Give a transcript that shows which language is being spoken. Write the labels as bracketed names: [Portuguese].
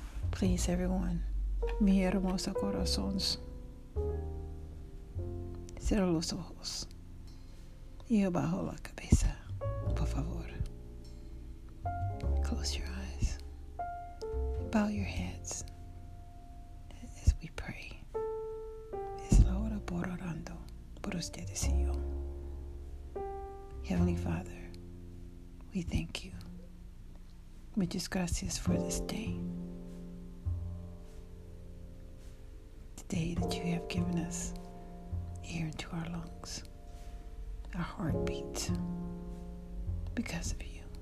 [English] Please, everyone, [Spanish] mi hermoso corazón, cierra los ojos y bajo la cabeza. Por favor, [English] close your eyes, bow your heads as we pray. [Spanish] Es la hora por orando por ustedes y yo. [English] Heavenly Father, we thank you. [Spanish] Muchas gracias [English] for this day. day that you have given us here into our lungs. Our heart beats because of you.